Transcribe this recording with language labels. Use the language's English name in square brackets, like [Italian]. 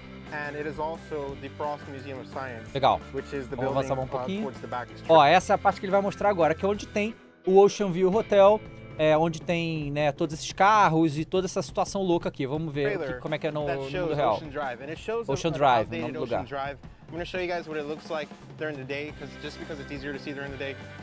[English] And it is also the Frost Museum of Science. [Portuguese] Legal. [English] Which is the building. [Portuguese] Vamos avançar um pouquinho. [English] Towards the back. [Portuguese] Ó, essa é a parte que ele vai mostrar agora, que é onde tem o Ocean View Hotel, onde tem, né, todos esses carros e toda essa situação louca aqui. Vamos ver aqui, como é que é no mundo real. [English] Ocean Drive. And it shows [Portuguese] Ocean Drive, no lugar. [English] I'm going to show you guys what it looks like during the day, because just because it's easier to see during the day.